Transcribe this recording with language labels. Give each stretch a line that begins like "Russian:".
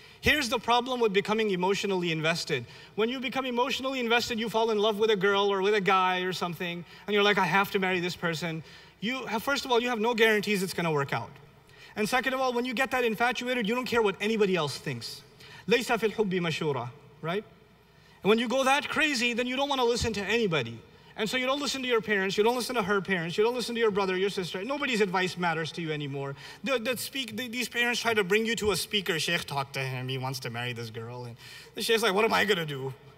English: Here's the problem with becoming emotionally invested. When you become emotionally invested, you fall in love with a girl or with a guy or something, and you're like, I have to marry this person. You have no guarantees it's gonna work out. And second of all, when you get that infatuated, you don't care what anybody else thinks.
Arabic: لَيْسَ فِي الْحُبِّ مَشُورًا,
English: right? And when you go that crazy, then you don't wanna listen to anybody. And so you don't listen to your parents, you don't listen to her parents, you don't listen to your brother, your sister. Nobody's advice matters to you anymore. These parents try to bring you to a speaker. Sheikh talked to him, he wants to marry this girl. And the sheikh's like, what am I gonna do?